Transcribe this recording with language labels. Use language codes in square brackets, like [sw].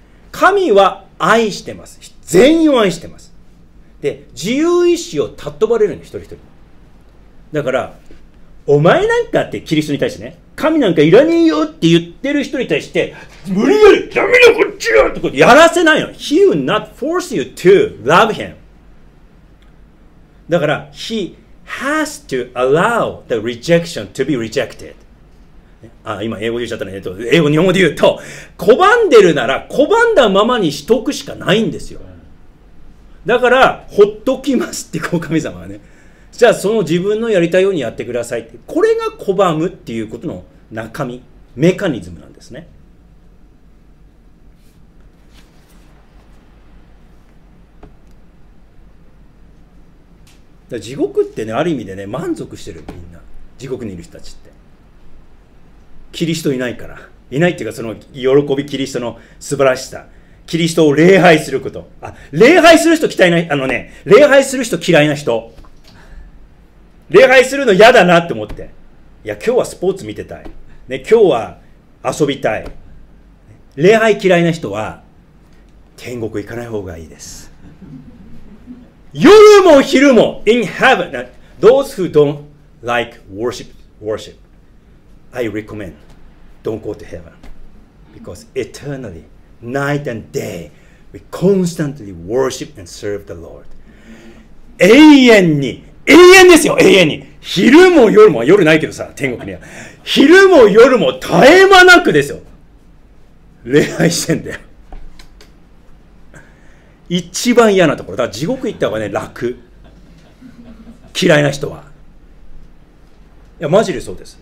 [ja] 神は愛してます。全員を愛してます。で、自由意志を尊ばれるの、一人一人。だから、お前なんかって、キリストに対してね、神なんかいらねえよって言ってる人に対して、無理やり、ダメだ、こっちだってこと、やらせないの。 [en] He will not force you to love him. [ja] だから、 [en] He has to allow the rejection to be rejected. [ja] 今英語で言っちゃったね。英語、日本語で言うと、拒んでるなら、拒んだままにしとくしかないんですよ。だから、ほっときますって、こう神様はね。じゃあ、その自分のやりたいようにやってくださいって。これが拒むっていうことの中身、メカニズムなんですね。地獄ってね、ある意味でね、満足してる、みんな。地獄にいる人たちって。キリストいないから。いないっていうか、その喜び、キリストの素晴らしさ。キリストを礼拝すること。あ、礼拝する人嫌いな、礼拝する人嫌いな人。礼拝するの嫌だなって思って。いや、今日はスポーツ見てたい。ね、今日は遊びたい。礼拝嫌いな人は、天国行かない方がいいです。夜も昼も、 [en] in heaven, those who don't like worship. I recommend don't go to heaven because eternally, night and day, we constantly worship and serve the Lord. [ja] 永遠ですよ、永遠に。昼も夜も、夜ないけどさ、天国には。昼も夜も絶え間なくですよ。礼拝してんだよ。一番嫌なところ。だから地獄行った方がね、楽。嫌いな人は。いや、マジでそうです。